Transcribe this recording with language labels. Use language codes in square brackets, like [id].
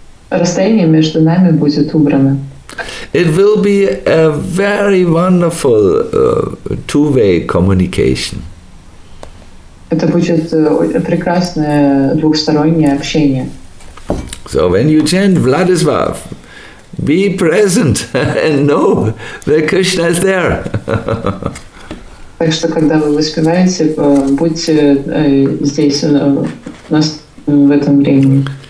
[ru] Расстояние между нами будет убрано. [en] It will be a very wonderful two-way communication. [ru] Это будет прекрасное двухстороннее общение. [en] So when you chant Vladislav, be present and know that Krishna is there. [ru] Так что когда вы воспеваете, будьте здесь в этом времени.